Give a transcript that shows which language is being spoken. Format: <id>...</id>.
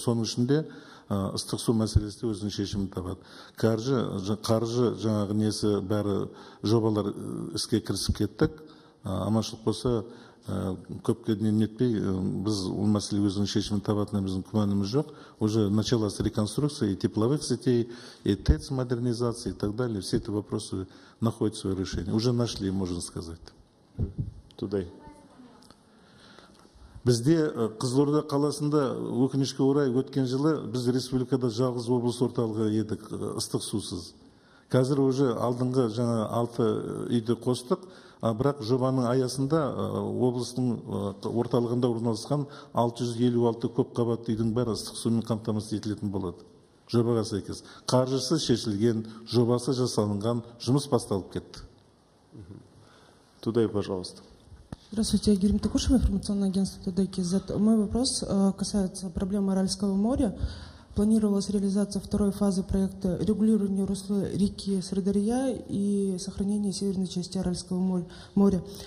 <kk>Соның ішінде ыстық су мәселесі өзінің шешімін табады. Қаржы жаңағы несі бәрі жобалар іске кірісіп кеттік. Амалшылық болса көпке дейін нетпей, біз ол мәселе өзінің шешімін табатынына біздің күмәніміз жоқ.</kk> <ru>Уже началась реконструкция и тепловых сетей, и ТЭЦ модернизации и так далее. Все эти вопросы находят свое решение. Уже нашли, можно сказать. Тудай.</ru> <kk>Бізде Қызылорда қаласында өкінішке орай өткен жылы біз республикада жалғыз облыс орталығы едік ыстық сусыз. Қазір</kk> <ru>уже</ru> <kk>алдыңғы жаңа 6 үйді қостық. Бірақ жобаның аясында облыстың орталығында орналасқан 656 көп қабатты үйдің бәрі ыстық сумен қамтамасыз етілетін болады. Жобаға сәйкес. Қаржысы шешілген, жобасы жасалынған, жұмыс басталып кетті.</kk> <ru>Тудай, пожалуйста. Здравствуйте, я Гюрим Токушев, информационное агентство Тудай Кизет. Мой вопрос касается проблемы Аральского моря. Планировалась реализация второй фазы проекта регулирования русла реки Сырдарья и сохранения северной части Аральского моря.</ru>